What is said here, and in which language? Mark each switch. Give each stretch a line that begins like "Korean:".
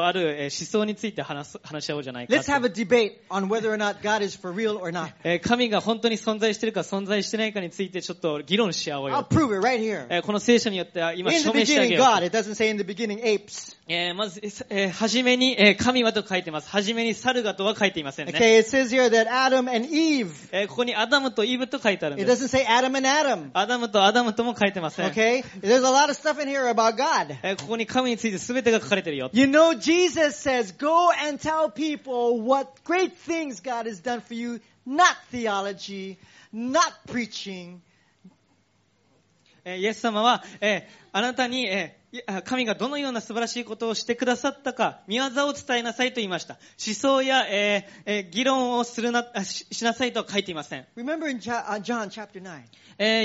Japanese: ある思想について話し合おうじゃないか。
English: Let's have a debate on whether or not God is for real or not.
Japanese: 神が本当に存在してるか存在してないかについてちょっと議論し合おうよ。
English: I'll prove it right here.
Japanese: この聖書によって今証明してあげよう。
English: In the beginning, God. It doesn't say in the beginning, apes.
Japanese: まず、初めに、神はと書いてます。初めに猿がとは書いていませんね。
English: Okay, it says here that Adam and Eve.
Japanese: ここにアダムとイブと書いてあるんです。
English: It doesn't say Adam and Adam.
Japanese: アダムとアダムとも書いてません。
English: Okay, there's a lot of stuff in here about God.
Japanese: ここに神について全てが書かれてるよ。
English: You know, Jesus says, go and tell people what great things God has done for you. Not theology, not preaching.
Japanese: イエス様は、あなたに、神がどのような素晴らしいことをしてくださったか、御業を伝えなさいと言いました。思想や、議論をするな、しなさいとは書いていません。
English: Remember in John chapter 9.